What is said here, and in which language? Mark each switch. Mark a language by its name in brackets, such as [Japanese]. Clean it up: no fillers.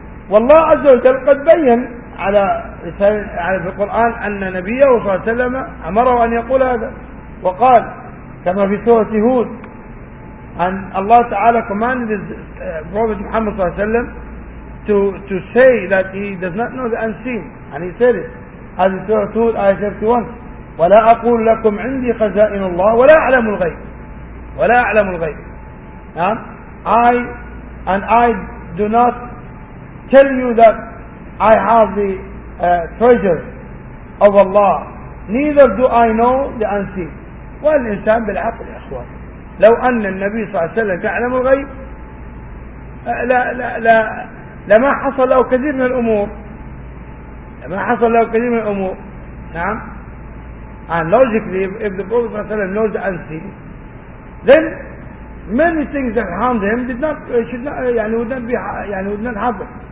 [Arabic] والله عز وجل قد بين على في القرآن أن نبيه صلى الله عليه وسلم أمره أن يقول هذا، وقال كما في سورة هود أن الله تعالى [English] commanded Prophet Muhammad [Arabic] صلى الله عليه وسلم [English] to say that he does not know the unseen and he said it. [Arabic] هذه سورة هود آية 31. ولا أقول لكم عندي خزائن الله ولا أعلم الغيب ولا أعلم الغيب. نعم. [English] I do not tell you that I have the treasures of Allah. Neither do I know the unseen. [Arabic] والإنسان بالعقل يا أخوان. لو أن النبي صلى الله عليه وسلم يعلم الغيب لا لا لا لما حصل له كثير من الأمور. لما حصل له كثير من الأمور. نعم. [English] And logically, if the Prophet صلى الله عليه وسلم knows the unseen, then many things that harmed him did not should not يعني would not be يعني would not happen.